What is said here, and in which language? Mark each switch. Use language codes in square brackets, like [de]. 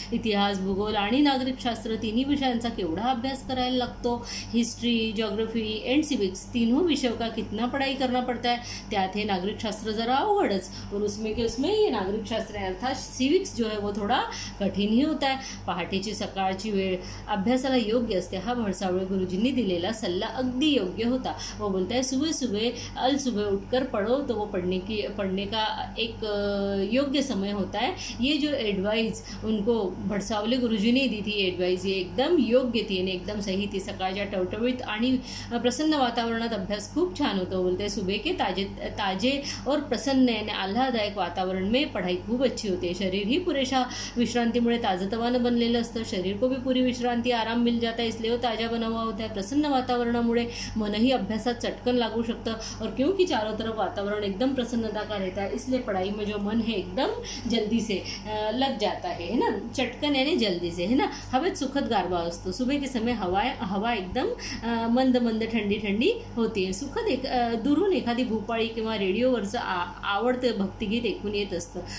[mr] इतिहास, भूगोल आणि नागरिक शास्त्र तिन्ही विषयांचा केवढा अभ्यास करायला लागतो, [hi] हिस्ट्री, ज्योग्राफी एंड सिविक्स तीनों विषयों का कितना पढ़ाई करना पड़ता है, [mr] त्यात हे नागरिक शास्त्र जरा अवघडच, [hi] और उसमें ये नागरिक शास्त्र अर्थात सिविक्स जो है वो थोड़ा कठिन ही होता है। [mr] पहाटेची सकाळची वेळ अभ्यासाला योग्य असते हा भरसावळे गुरुजींनी दिलेला सल्ला अगदी योग्य होता। [hi] वो बोलते हैं सुबह उठकर पढ़ो तो वो पढ़ने का एक योग्य समय होता है। ये जो एडवाइस उनको भड़सावले गुरुजी ने दी थी, एडवाइस ये एकदम योग्य थी, यानी एकदम सही थी। [mr] सकाळच्या टवटवीत आणि प्रसन्न वातावरणात अभ्यास खूब छान होता। [hi] वो बोलते हैं सुबह के ताजे और प्रसन्न यानी आल्हाददायक वातावरण में पढ़ाई खूब अच्छी होती है। [mr] शरीर ही पुरेशा विश्रांति मुळे ताजतवान बनलेलं असतं, [hi] शरीर को भी पूरी विश्रांति आराम मिल जाता है, इसलिए वो ताजा बना हुआ होता है। [mr] प्रसन्न वातावरणामुळे मन ही अभ्यासात चटकन लागू शकतं, [hi] और क्योंकि चारों तरफ वातावरण एकदम प्रसन्नता का रहता है, इसलिए पढ़ाई में जो मन है एकदम जल्दी से लग जाता है ना, चटकन यानी जल्दी से, है ना। [mr] हवेत सुखद गारवा असतो, [hi] सुबह के समय हवा एकदम मंद मंद ठंडी ठंडी होती है। [mr] सुखद दुरून एखादी भूपाळी किंवा रेडिओवरचं आवडतं भक्तिगीत ऐकून येत असतं।